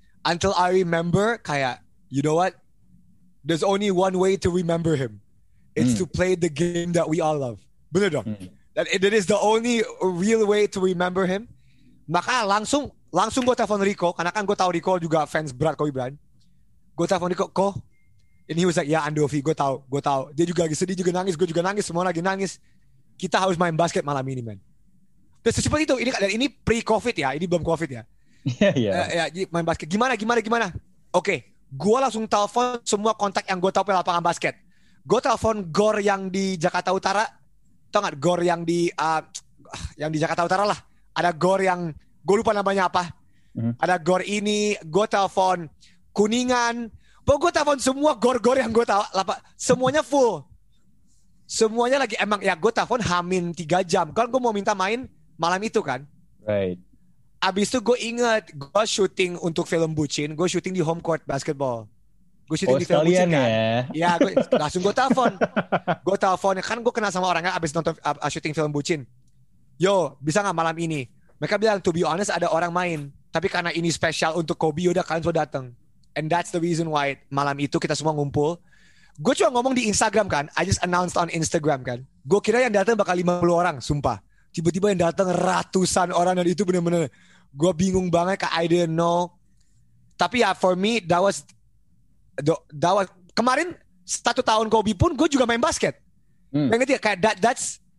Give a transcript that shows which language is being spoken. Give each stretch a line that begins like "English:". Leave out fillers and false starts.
English: Until I remember, kayak, you know what? There's only one way to remember him. It's to play the game that we all love.
Indonesian: Bener dong?
English: That is the only real way to remember him.
Indonesian: Maka langsung gue telepon Rico. Karena kan gue tahu Rico juga fans berat Kobe Bryant. Gue telepon Rico, Ko?
English: And he was like, ya Andovi,
Indonesian: gue tahu. Dia juga lagi sedih, juga nangis, gue juga nangis, semua lagi nangis. Kita harus main basket malam ini, man. Dan secepat itu, ini pre-COVID ya, ini belum COVID ya. Ya, main basket. Gimana? Oke, gue langsung telepon semua kontak yang gue tahu di lapangan basket. Gue telepon Gor yang di Jakarta Utara. Tahu nggak? Gor yang di Jakarta Utara lah. Ada Gor yang gue lupa namanya apa. Ada Gor ini. Gue telepon Kuningan. Pokoknya gue telepon semua Gor yang gue tahu. Semuanya full. semuanya lagi emang ya gue telepon hamin 3 jam. Kan gue mau minta main malam itu kan.
English: Right.
Indonesian: Abis itu gue inget gue syuting untuk film Bucin. Gue syuting di home court basketball. Gue syuting di film Bucin kan. Ya gua, langsung gue telepon. Gue telepon. Kan gue kenal sama orangnya abis nonton syuting film Bucin. Yo, bisa gak malam ini? Mereka bilang,
English: to be honest,
Indonesian: ada orang main. Tapi karena ini spesial untuk Kobe, udah kalian sudah datang.
English: And that's the reason why
Indonesian: malam itu kita semua ngumpul. Gue cuma ngomong di Instagram kan.
English: I just announced on Instagram kan.
Indonesian: Gue kira yang datang bakal 50 orang, sumpah. Tiba-tiba yang datang ratusan orang. Dan itu benar-benar gue bingung banget.
English: I didn't know.
Indonesian: Tapi ya,
English: for me, that was
Indonesian: kemarin, 1 tahun Kobe pun, gue juga main basket. Ngerti ya? Kayak that's...